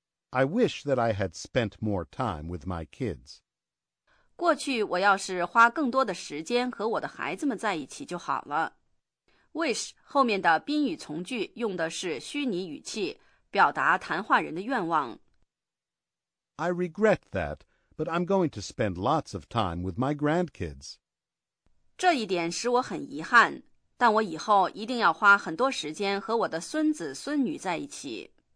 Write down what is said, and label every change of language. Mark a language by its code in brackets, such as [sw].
[en] I wish that I had spent more time with my kids. [zh] 过去我要是花更多的时间和我的孩子们在一起就好了。 Wish 后面的宾语从句用的是虚拟语气，表达谈话人的愿望。 [en] I regret that, but I'm going to spend lots of time with my grandkids. [zh] 这一点使我很遗憾，但我以后一定要花很多时间和我的孙子孙女在一起。